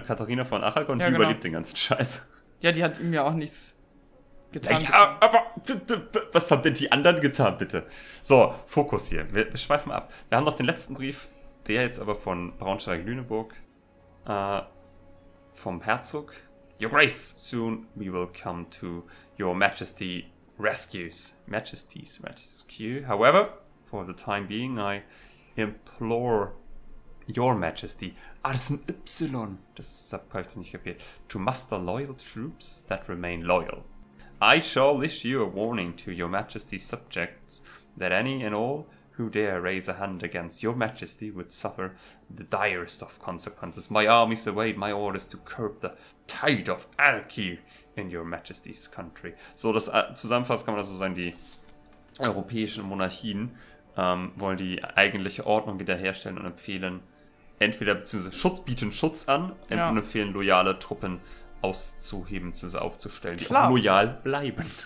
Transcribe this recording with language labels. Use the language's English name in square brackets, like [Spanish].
[German] Katharina von Aragon, ja, die genau. Überlebt den ganzen Scheiß. Ja, die hat ihm ja auch nichts getan. Ja, aber was haben denn die anderen getan, bitte? So, Fokus hier. Wir schweifen ab. Wir haben noch den letzten Brief, der jetzt aber von Braunschweig-Lüneburg. Vom Herzog. [English] Your Grace, soon we will come to your Majesty's rescues. Majesty's rescue. However, for the time being, I implore your Majesty. [German] Ah, das ist ein Y. Das habe ich nicht kapiert. [English] To muster loyal troops that remain loyal. I shall issue a warning to your Majesty's subjects that any and all who dare raise a hand against your Majesty would suffer the direst of consequences. My armies await my orders to curb the tide of anarchy in your Majesty's country. [German] So, das zusammenfasst kann man also sagen, die europäischen Monarchien wollen die eigentliche Ordnung wiederherstellen und empfehlen entweder beziehungsweise Schutz, bieten Schutz an und empfehlen loyale Truppen auszuheben, zu aufzustellen, klar, die auch loyal bleiben.